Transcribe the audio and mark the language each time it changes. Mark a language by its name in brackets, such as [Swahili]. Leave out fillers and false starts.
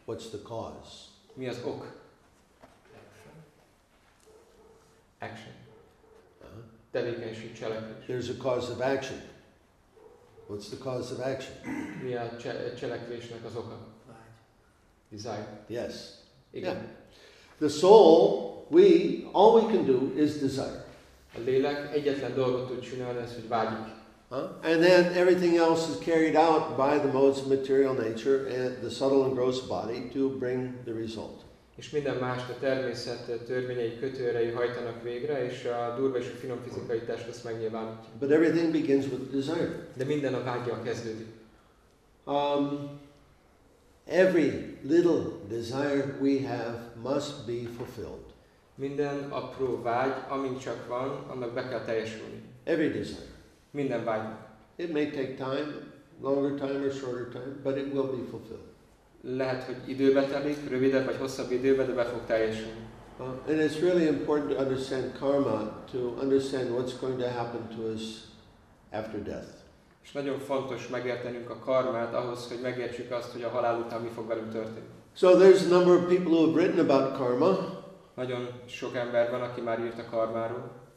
[English] What's the cause? [Hungarian] Mi az ok? [English] Action. Action. Uh-huh. [Hungarian] Tevékenység, cselekvés. [English] There's a cause of action. What's the cause of action? [Hungarian] Mi a cselekvésnek az oka? [English] Desire. Yes. [Hungarian] Igen. [English] Yeah. The soul, all we can do is desire. [Hungarian] A lélek egyetlen dolgot tud csinálni, ez, hogy vágyik. [English] And then everything else is carried out by the modes of material nature and the subtle and gross body to bring the result. [Hungarian] és minden más a természet törvényei kötőerei hajtanak végre, és a durva és a finom fizikai test azt megnyilvánítja. [English] But everything begins with desire. [Hungarian] De minden a vágyjal kezdődik. [English] Every little desire we have must be fulfilled. [Hungarian] Minden apró vágy, amint csak van, annak be kell teljesülni. [English] Every desire. [Hungarian] Minden vágy. [English] It may take time, longer time or shorter time, but it will be fulfilled. [Hungarian] Lehet, hogy időbe telik, rövidebb vagy hosszabb időbe, de be fog teljesülni. [English] And it's really important to understand karma, to understand what's going to happen to us after death. [Hungarian] És nagyon fontos megértenünk a karmát ahhoz, hogy megértsük azt, hogy a halál után mi fog velünk történni. [English] So there's a number of people who have written about karma. [Hungarian] Nagyon sok ember van, aki már írt a karmáról.